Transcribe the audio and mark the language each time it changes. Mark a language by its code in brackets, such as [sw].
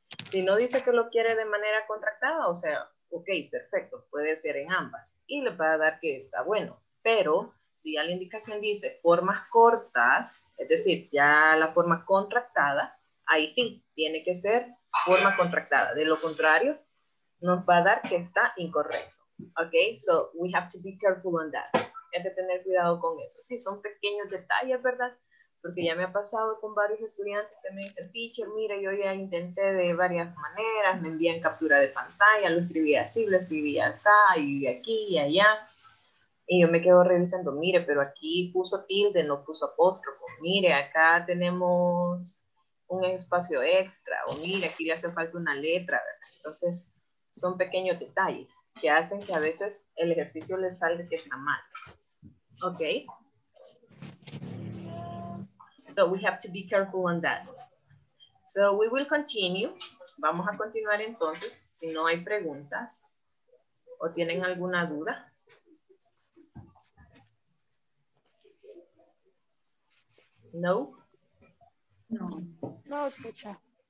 [es] Si no dice que lo quiere de manera contractada, o sea, ok, perfecto, puede ser en ambas. Y le va a dar que está bueno. Pero si ya la indicación dice formas cortas, es decir, ya la forma contractada, ahí sí, tiene que ser forma contractada. De lo contrario, nos va a dar que está incorrecto. [en] Ok, so we have to be careful on that. [es] Es de tener cuidado con eso. Sí, son pequeños detalles, ¿verdad? Porque ya me ha pasado con varios estudiantes que me dicen, teacher, mira, yo ya intenté de varias maneras, me envían captura de pantalla, lo escribí así, lo escribí así, y aquí y allá. Y yo me quedo revisando, mire, pero aquí puso tilde, no puso apóstrofo. Mire, acá tenemos un espacio extra, o mire, aquí le hace falta una letra, ¿verdad? Entonces, son pequeños detalles que hacen que a veces el ejercicio le salga que está mal. ¿Ok? [en] So we have to be careful on that. So we will continue. [es] Vamos a continuar entonces, si no hay preguntas o tienen alguna duda. No. No. No, escucha.